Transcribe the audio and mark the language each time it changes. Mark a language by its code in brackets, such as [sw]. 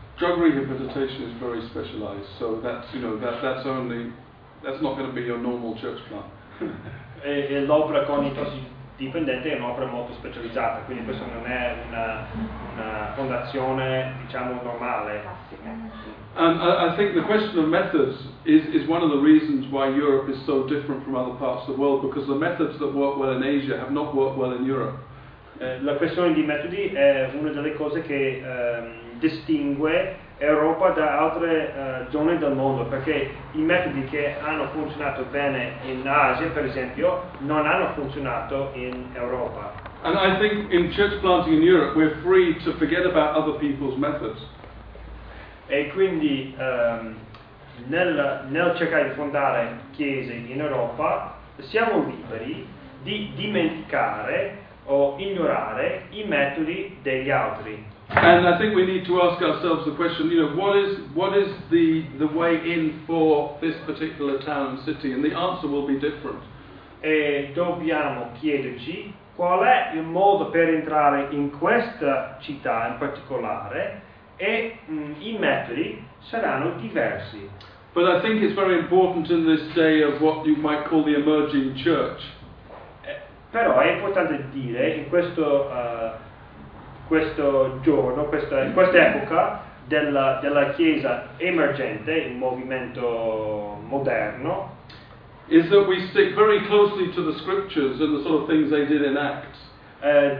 [en] Drug rehabilitation is very specialized, so that's not going to be your normal church plant. [it] E l'opera con i tossici dipendenti è un'opera molto specializzata, quindi questo non è una fondazione, diciamo, normale. [en] And I think the question of methods is one of the reasons why Europe is so different from other parts of the world, because the methods that work well in Asia have not worked well in Europe. [it] La questione di metodi è una delle cose che distingue Europa da altre zone del mondo, perché i metodi che hanno funzionato bene in Asia, per esempio, non hanno funzionato in Europa. [en] And I think in church planting in Europe we're free to forget about other people's methods. [it] E quindi nel cercare di fondare chiese in Europa siamo liberi di dimenticare o ignorare i metodi degli altri. [en] And I think we need to ask ourselves the question, you know, what is the way in for this particular town and city, and the answer will be different. [it] E dobbiamo chiederci qual è il modo per entrare in questa città in particolare. E i metodi saranno diversi. [en] But I think it's very important in this day of what you might call the emerging church. [it] Però è importante dire in questo giorno, in questa epoca della chiesa emergente, il movimento moderno, [en] is that we stick very closely to the scriptures and the sort of things they did in Acts.